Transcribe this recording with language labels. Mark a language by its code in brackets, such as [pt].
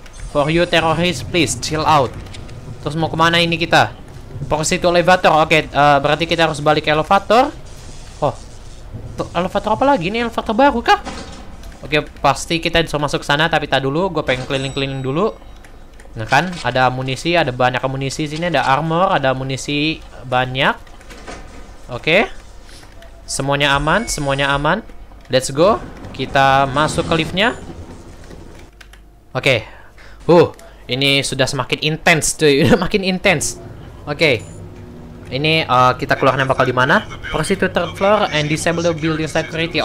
[en] For you terrorist, please chill out. [id] Terus mau kemana ini kita? [en] Proceed to elevator. [id] Oke, okay, berarti kita harus balik ke elevator. Oh. Elevator apa lagi? Ini elevator baru kah? Oke, okay, pasti kita bisa masuk sana, tapi tak dulu, gue pengen keliling-keliling dulu. Nah kan, ada amunisi, ada banyak amunisi sini, ada armor, ada amunisi banyak. Oke. Okay. Semuanya aman. [en] Let's go. [id] Kita masuk ke liftnya. Oke. Okay. Ini sudah semakin intens, cuy. Makin intens. Oke. Okay. Ini kita keluarnya bakal di mana? [en] Proceed to third floor and disable the building security.